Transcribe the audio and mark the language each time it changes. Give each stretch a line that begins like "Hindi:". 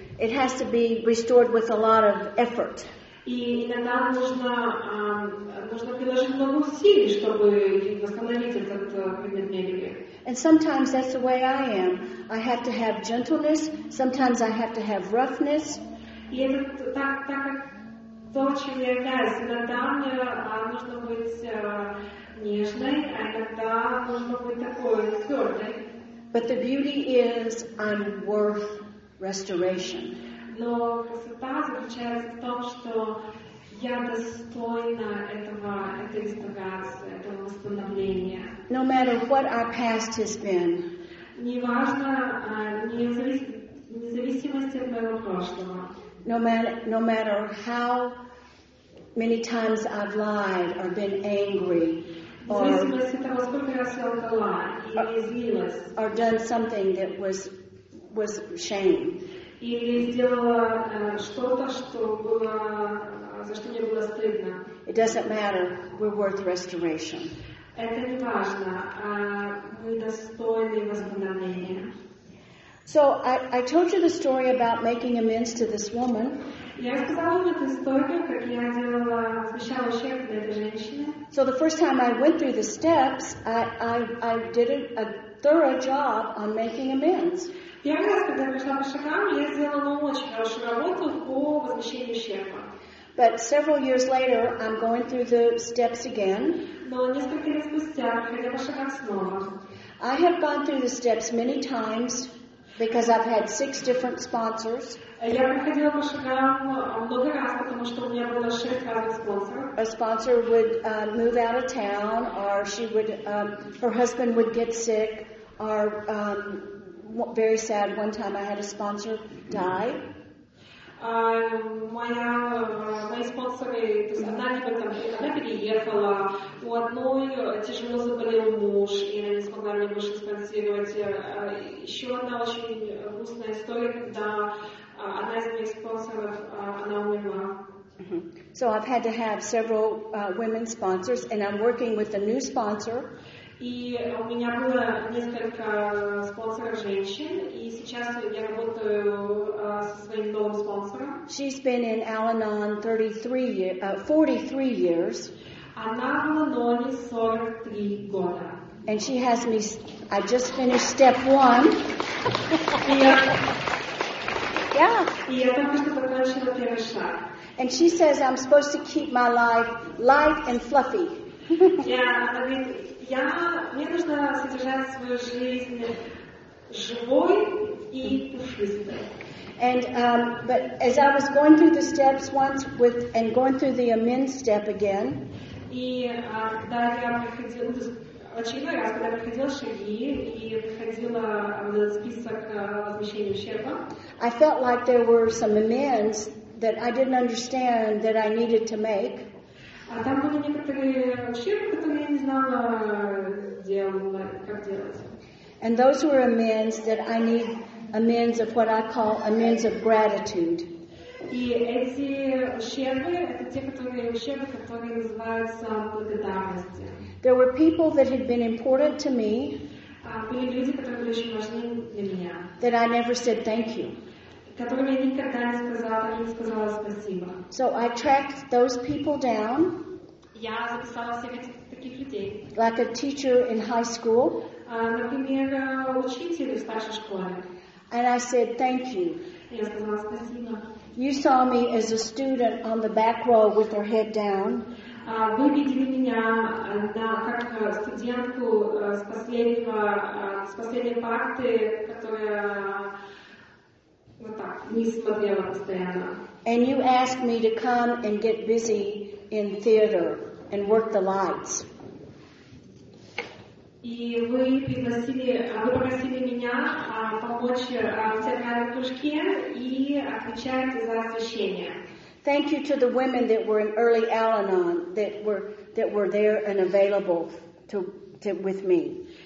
English: it has to be restored with a lot of effort.
Russian: И иногда нужно приложить много усилий, чтобы восстановить этот предмет мебели.
English: And sometimes that's the way I am. I have to have gentleness. Sometimes I have to have roughness.
Russian: И это так то, чем я являюсь. Иногда мне нужно быть нежной, а иногда нужно быть такой твердой.
English: But the beauty is I'm worth restoration.
Russian: Но красота заключается в том, что я достойна этой реставрации, этого восстановления.
English: No matter what our past has been.
Russian: Неважно, независимости от моего прошлого.
English: No matter how many times I've lied or been angry.
Russian: Независимости от того, сколько раз я лгала или злилась.
English: Or done something that was shame.
Russian: Или сделала что-то, что было, за что мне было стыдно.
English: It doesn't matter. We're worth restoration.
Russian: Это не важно. Мы достойны восстановления.
English: So I told you the story about making amends to this woman.
Russian: Я сказала вам эту историю, как я делала, освещала ущерб для этой женщины.
English: So the first time I went through the steps, I did a thorough job on making amends.
Russian: Первый раз, когда я пришла по шагам, я сделала очень хорошую работу по возмещению ущерба.
English: But several years later, I'm going through the steps again.
Russian: Но несколько лет спустя, проходя по шагам снова.
English: I have gone through the steps many times because I've had six different sponsors.
Russian: Я проходила по шагам много раз, потому что у меня было шесть разных спонсоров.
English: A sponsor would move out of town, or she would, her husband would get sick, or very sad, one time I had a sponsor die.
Russian: Мои спонсоры, то есть одна либо там, она переехала, у одной тяжело заболел муж, и она не смогла мне больше спонсировать. Еще одна очень грустная история, когда одна из моих спонсоров, она умерла.
English: So I've had to have several women sponsors, and I'm working with a new sponsor.
Russian: И у меня было несколько спонсоров женщин, и сейчас я работаю со своим новым спонсором.
English: She's been in Al-Anon 43 years.
Russian: Она в Al-Anon 43 года.
English: And she has me. I just finished step one.
Russian: И я только что закончила первый шаг.
English: And she says I'm supposed to keep my life light and fluffy. Yeah, I mean.
Russian: Мне нужно содержать свою жизнь живой и пушистой.
English: And but as I was going through the steps once with and going through the amend step again.
Russian: И когда я проходила, очередной раз, когда приходил Шаги и приходила в этот список возмещения ущерба,
English: I felt like there were some amends that I didn't understand that I needed to make.
Russian: А там были некоторые ущербы, которые я не знала, как делать.
English: And those were amends that I need amends of what I call amends of gratitude.
Russian: И эти ущербы, это те, которые ущербы, которые называются благодарностью.
English: There were people that had been important to me.
Russian: Были люди, которые были очень важны для меня.
English: That I never said thank you.
Russian: Которым я никогда не сказала, не сказала спасибо.
English: So I tracked those people down.
Russian: Я записала всех этих таких людей.
English: Like a teacher in high school.
Russian: Например, учитель в старшей школе.
English: And I said thank you.
Russian: Я сказала спасибо.
English: You saw me as a student on the back row with her head down.
Russian: Вы видели меня, да, как студентку с последней парты, которая вот так не смотрела постоянно.
English: And you asked me to come and get busy in theater and work the lights.
Russian: И вы попросили меня помочь в театральном кружке и отвечать за освещение.
English: Thank you to the women that were in early Al-Anon that were there and available to with me.